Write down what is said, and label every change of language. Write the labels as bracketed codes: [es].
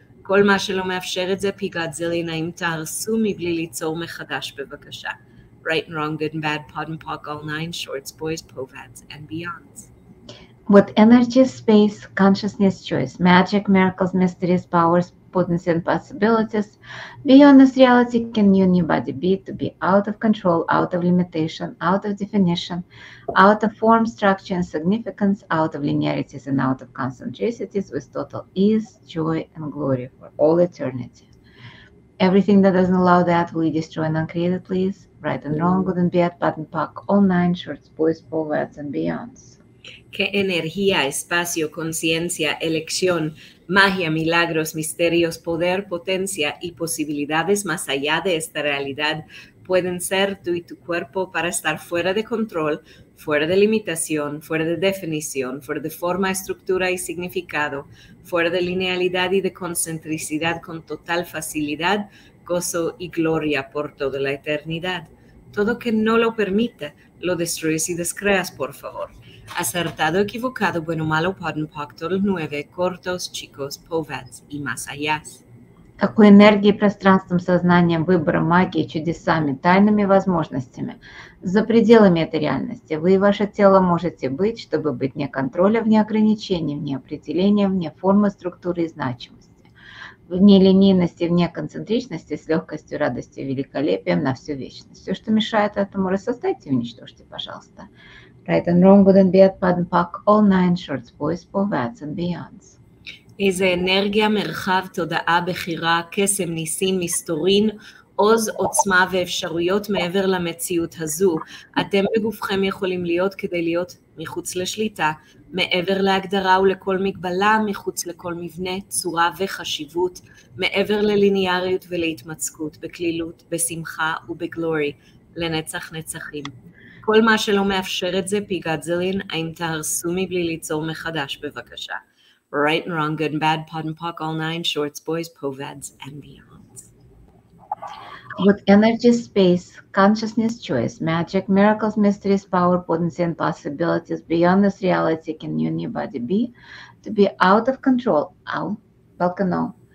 [he] כל מה שלא מאפשר את זה, פיגעת זה לנעים, תהרסו מבלי ליצור מחדש, בבקשה. [en] Right and wrong, good and bad, pot and pock, all nine, shorts, boys, povats, and beyonds. What energy, space, consciousness, choice, magic, miracles, mysteries, powers, potency and possibilities beyond this reality can you and your body be to be out of control, out of limitation, out of definition, out of form, structure and significance, out of linearities and out of concentricities with total ease, joy and glory for all eternity. Everything that doesn't allow that, will you destroy and uncreate it, please? Right and wrong, good and bad, button pack, all nine, shorts, boys, forwards and beyonds. [es] ¿Qué energía, espacio, conciencia, elección, magia, milagros, misterios, poder, potencia y posibilidades más allá de esta realidad pueden ser tú y tu cuerpo para estar fuera de control, fuera de limitación, fuera de definición, fuera de forma, estructura y significado, fuera de linealidad y de concentricidad con total facilidad, gozo y gloria por toda la eternidad? Todo que no lo permita, lo destruyes y descreas, por favor. Acertado, equivocado, bueno, malo, pardon, pacto, los nueve, cortos, chicos, povats y más allá. [ru] Какой энергией, пространством, сознанием, выбором, магией, чудесами, тайными возможностями за пределами этой реальности вы и ваше тело можете быть, чтобы быть вне контроля, вне ограничений, вне определения, вне формы, структуры и значимости, вне линейности, вне концентричности, с легкостью, радостью, великолепием на всю вечность. Все, что мешает этому, рассоздайте и уничтожьте, пожалуйста. Right and wrong, good and bad, pad and pack, all nine, shorts, boys, povats and beyonds. [he] איזה אנרגיה, מרחב, תודעה, בחירה, קסם, ניסים, מסתורין, עוז, עוצמה ואפשרויות מעבר למציאות הזו. אתם בגופכם יכולים להיות כדי להיות מחוץ לשליטה, מעבר להגדרה ולכל מגבלה, מחוץ לכל מבנה, צורה וחשיבות, מעבר לליניאריות ולהתמצקות, בכלילות, בשמחה ובגלורי, לנצח נצחים. כל מה שלא מאפשר את זה, פיגעת זלין, האם תהרסו מבלי ליצור מחדש, בבקשה. [en] Right and wrong, good and bad, pot and pock, all nine, shorts, boys, povads, and beyond. With energy, space, consciousness, choice, magic, miracles, mysteries, power, potency, and possibilities beyond this reality, can you and your body be to be out of control? Ow, welcome, no.